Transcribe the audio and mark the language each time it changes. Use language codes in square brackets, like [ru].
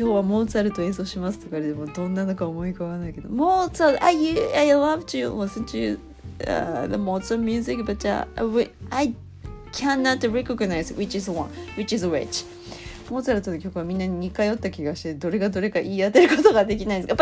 [ja] 今日はモーツァルト演奏しますとかでもどんなのか思い浮かばないけど、モーツァルト、 [en] I love to listen to、the Mozart music, but、I cannot recognize which is one, which is which. [ja] モーツァルトの曲はみんなに似通った気がして、どれがどれか言い当てることができないんですが、